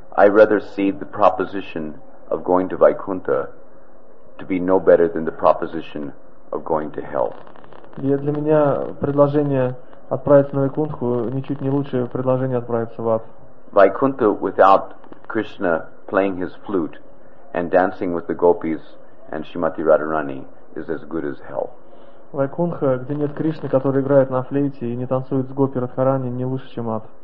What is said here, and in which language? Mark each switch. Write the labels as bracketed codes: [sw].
[en] I rather see the proposition of going to Vaikuntha to be no better than the proposition of going to hell. [ru] Я для меня предложение отправиться на Вайкунтху ничуть не лучше предложение отправиться в ад. [en] Vaikuntha without Krishna playing his flute and dancing with the gopis and Shrimati Radharani is as good as hell. [ru] Вайкунха, где нет Кришны, который играет на флейте и не танцует с Гопи Радхарани, не лучше, чем ад.